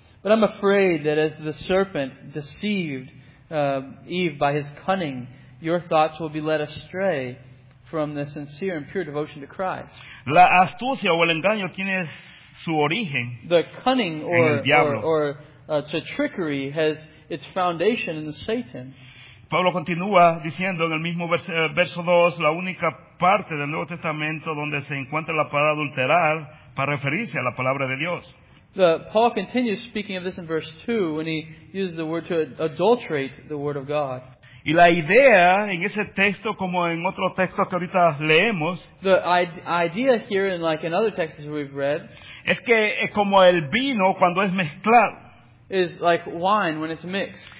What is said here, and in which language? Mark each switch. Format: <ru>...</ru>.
<en>But I'm afraid that as the serpent deceived Eve by his cunning, your thoughts will be led astray from the sincere and pure devotion to Christ.</en> <es>La astucia o el engaño tiene su origen en el diablo.</es> <en>To trickery has its foundation in Satan.</en> <es>Pablo continúa diciendo en el mismo verso 2, la única parte del Nuevo Testamento donde se encuentra la palabra adulterar para referirse a la palabra de Dios.</es> <en>Paul continues speaking of this in verse 2 when he uses the word to adulterate the word of God.</en> <es>Y la idea en ese texto, como en otro texto que ahorita leemos,</es> <en>the idea here in like in other texts we've read,</en> <es>es que es como el vino cuando es mezclado.</es> <en>Is like wine when it's mixed.</en>